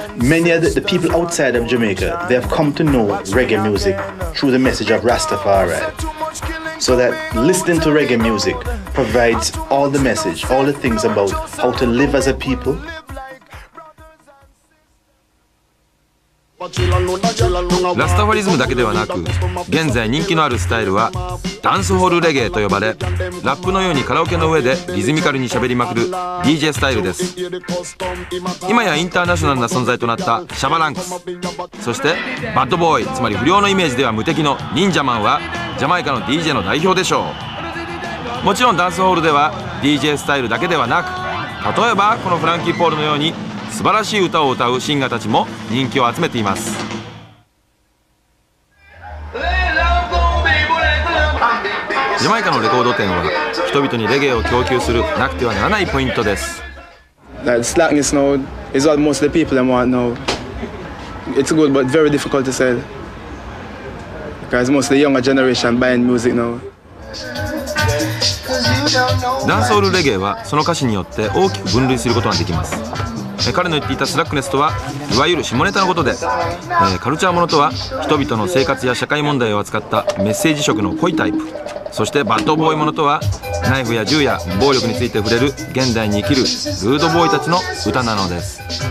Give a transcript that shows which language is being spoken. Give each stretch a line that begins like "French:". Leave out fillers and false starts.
English: Many of the people outside of Jamaica, they have come to know reggae music through the message of Rastafari. So that listening to reggae music provides all the message, all the things about how to live as a people.
Japanese: ラスタファリズムだけではなく、現在人気のあるスタイルはダンスホールレゲエと呼ばれ、ラップのようにカラオケの上でリズミカルに喋りまくる DJ スタイルです。今やインターナショナルな存在となったシャバランクス、そしてバッドボーイ、つまり不良のイメージでは無敵のニンジャマンは、ジャマイカの DJ の代表でしょう。もちろんダンスホールでは DJ スタイルだけではなく、例えばこのフランキーポールのように素晴らしい歌を歌うシンガーたちも人気を集めています。ジャマイカのレコード店は人々にレゲエを供給するなくてはならないポイントです。
English: Slackness now is what most of the people want now. It's good but very difficult to sell. Because most of the younger generation buying music now.
Japanese: ダンスホールレゲエはその歌詞によって大きく分類することができます。彼の言っていたスラックネスとは、いわゆる下ネタのことで、カルチャーものとは、人々の生活や社会問題を扱ったメッセージ色の濃いタイプ、そしてバッドボーイものとは、ナイフや銃や暴力について触れる現代に生きるルードボーイたちの歌なのです。